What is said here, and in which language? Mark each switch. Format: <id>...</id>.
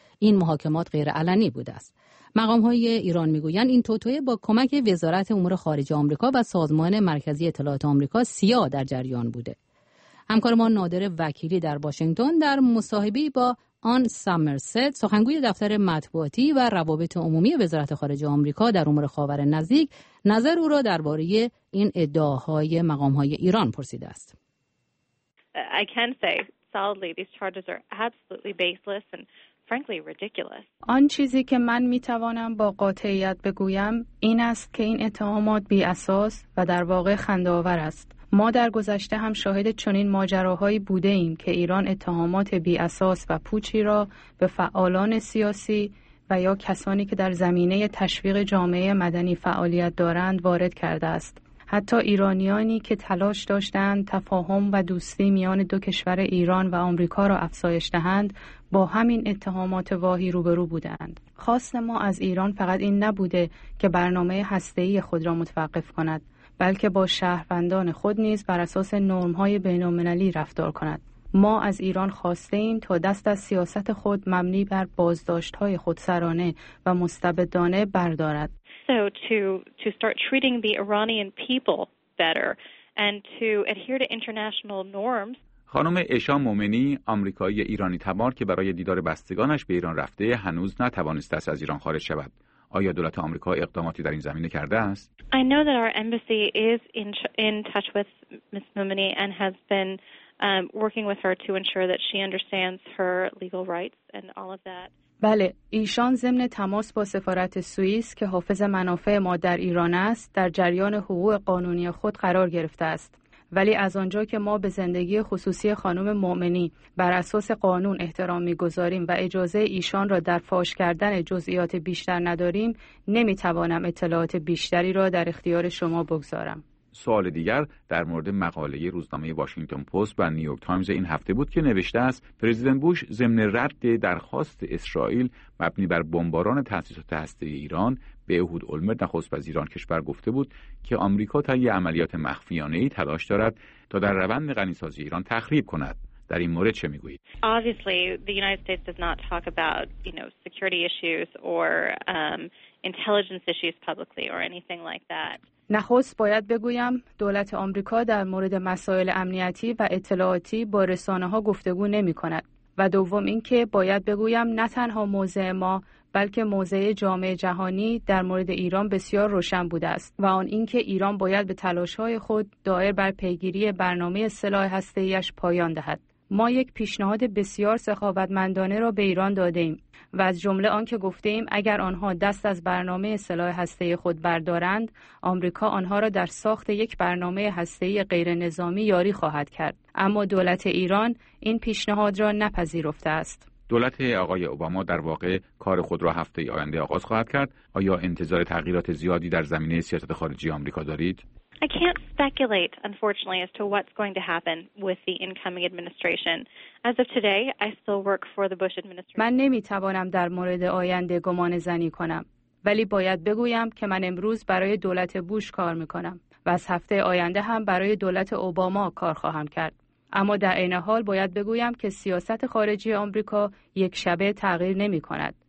<fa>این محاکمات غیرعلنی بوده است. مقام‌های ایران می‌گویند این توطئه با کمک وزارت امور خارجه آمریکا و سازمان مرکزی اطلاعات آمریکا سیا در جریان بوده. همکار ما نادر وکیلی در واشنگتن در مصاحبه با آن سامرست، سخنگوی دفتر مطبوعاتی و روابط عمومی وزارت خارجه آمریکا در امور خاور نزدیک، نظر او را درباره این ادعاهای مقامهای ایران پرسیده است.</fa> <en>I can say solidly these charges are absolutely baseless and frankly ridiculous.</en> <fa>آن چیزی که من میتوانم با قاطعیت بگویم این است که این اتهامات بی اساس و در واقع خنده‌آور است. ما در گذشته هم شاهد چنین ماجراهایی بوده ایم که ایران اتهامات بی اساس و پوچی را به فعالان سیاسی و یا کسانی که در زمینه تشویق جامعه مدنی فعالیت دارند وارد کرده است. حتی ایرانیانی که تلاش داشتند تفاهم و دوستی میان دو کشور ایران و آمریکا را افزایش دهند با همین اتهامات واهی روبرو بودند. خواست ما از ایران فقط این نبوده که برنامه هسته‌ای خود را متوقف کند، بلکه با شهروندان خود نیز بر اساس نرم‌های بین‌المللی رفتار کند. ما از ایران خواسته‌ایم تا دست از سیاست خود مبنی بر بازداشت‌های خودسرانه و مستبدانه بردارد.</fa> <en>So to start treating the Iranian people better and to adhere to international norms.</en> <fa>خانم اشا مومنی، آمریکایی ایرانی تبار که برای دیدار بستگانش به ایران رفته، هنوز نتوانسته است از ایران خارج شود. آیا دولت آمریکا اقداماتی در این زمینه کرده است؟</fa> <en>I know that our embassy is in touch with Ms. Momeni and has been working with her to ensure that she understands her legal rights and all of that.</en> <fa>بله، ایشان ضمن تماس با سفارت سوئیس که حافظ منافع ما در ایران است، در جریان حقوق قانونی خود قرار گرفته است. ولی از آنجا که ما به زندگی خصوصی خانم مؤمنی بر اساس قانون احترام می‌گذاریم و اجازه ایشان را در فاش کردن جزئیات بیشتر نداریم، نمی‌توانم اطلاعات بیشتری را در اختیار شما بگذارم. سوال دیگر در مورد مقاله روزنامه واشنگتن پست و نیویورک تایمز این هفته بود که نوشته است پرزیدنت بوش ضمن رد درخواست اسرائیل مبنی بر بمباران تاسیسات هسته‌ای ایران به اهود اولمرت نخست وزیر آن کشور گفته بود که آمریکا تا یه عملیات مخفیانه‌ای تلاش دارد تا در روند غنی‌سازی ایران تخریب کند. در این مورد چه میگویید؟</fa> <en>Obviously the United States does not talk about, you know, security issues or intelligence issues publicly or anything like that.</en> <fa>نخست باید بگویم دولت آمریکا در مورد مسائل امنیتی و اطلاعاتی با رسانه‌ها گفتگو نمی‌کند. و دوم اینکه باید بگویم نه تنها موضع ما بلکه موضع جامعه جهانی در مورد ایران بسیار روشن بوده است و آن اینکه ایران باید به تلاش‌های خود دایر بر پیگیری برنامه سلاح هسته‌ای‌اش پایان دهد. ما یک پیشنهاد بسیار سخاوتمندانه را به ایران دادیم و از جمله آن که گفتیم اگر آنها دست از برنامه سلاح هسته‌ای خود بردارند، آمریکا آنها را در ساخت یک برنامه هسته‌ای غیر نظامی یاری خواهد کرد. اما دولت ایران این پیشنهاد را نپذیرفته است. دولت آقای اوباما در واقع کار خود را هفته آینده آغاز خواهد کرد. آیا انتظار تغییرات زیادی در زمینه سیاست خارجی آمریکا دارید؟</fa> <en>I can't speculate, unfortunately, as to what's going to happen with the incoming administration. As of today, I still work for the Bush administration.</en> <fa>من نمی‌توانم در مورد آینده گمانه‌زنی کنم، ولی باید بگویم که من امروز برای دولت بوش کار می‌کنم و از هفته آینده هم برای دولت اوباما کار خواهم کرد. اما در عین حال باید بگویم که سیاست خارجی آمریکا یک شبه تغییر نمی‌کند.</fa>